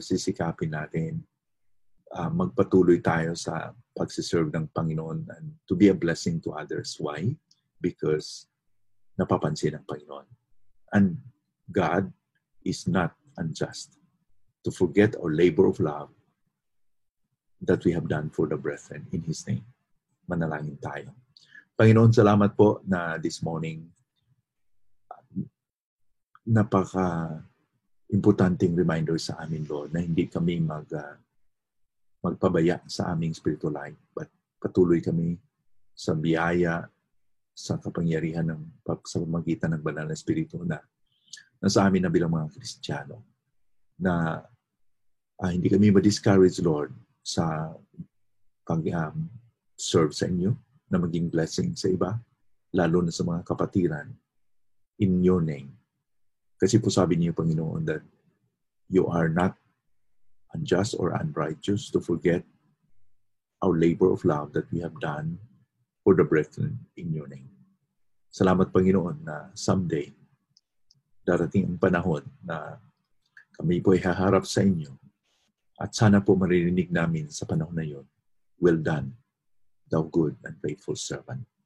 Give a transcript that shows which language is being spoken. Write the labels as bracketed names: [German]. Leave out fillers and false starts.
[Filipino] Sisikapin natin. Magpatuloy tayo sa pagsiserve ng Panginoon [English] and to be a blessing to others. Why? Because [Filipino] napapansin ng Panginoon. [English] And God is not unjust to forget our labor of love that we have done for the brethren in His name. [Filipino] Manalangin tayo. Panginoon, salamat po na [English] this morning [Filipino] napaka-importanting reminder sa amin, Lord, na hindi kami magpabaya sa aming [English] spiritual life, [Filipino] but patuloy kami sa biyaya, sa kapangyarihan ng sa pamagitan ng banal na Espiritu na sa amin na bilang mga Kristiyano, na hindi kami ma-discourage, Lord, sa pag-serve sa inyo, na maging blessing sa iba, lalo na sa mga kapatiran, [English] in your name. [Filipino] Kasi po sabi niyo, [English] Panginoon, that you are not unjust or unrighteous to forget our labor of love that we have done for the brethren in your name. [Filipino] Salamat, Panginoon, na [English] someday [Filipino] darating ang panahon na kami po ay haharap sa inyo at sana po maririnig namin sa panahon na yun, [English] well done, thou good and faithful servant.